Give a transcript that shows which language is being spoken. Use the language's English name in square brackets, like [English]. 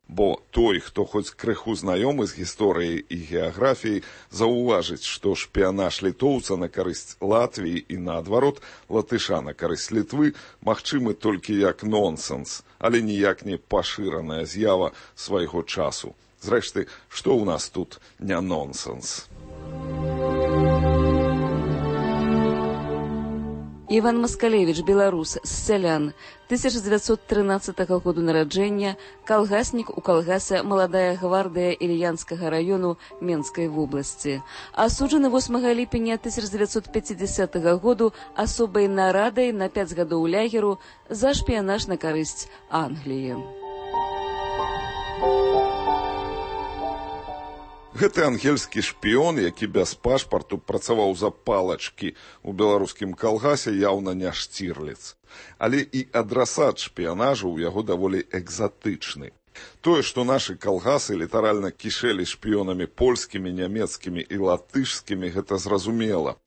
[Belarusian] Бо той, хто хоць крыху знаёмы з гісторыяй і геаграфіяй, заўважыць, што шпіянаж літоўца на карысць Латвіі і наадварот латыша на карысць Літвы магчымы толькі як нонсэнс, але ніяк не пашыраная з'ява свайго часу. Зрэшты, што ў нас тут не нонсэнс? [Ukrainian] Іван Маскалевич, білорус, з селян, 1913 году народження, колгасник у колгаса «Молодая гвардія» Ільянського району Мінської області. Осуджений 8 липня 1950 году особою нарадою на 5 років лагеру за шпіонаж на користь Англії. [Belarusian] Гэты ангельскі шпіон, які без пашпарту працаваў за палачкі ў беларускім калгасе, яўна не Штірліц. Але і адрасат шпіянажу ў яго даволі экзатычны. Тое, што нашы калгасы літаральна кішэлі шпіёнамі польскімі, нямецкімі і латышскімі, гэта зразумела.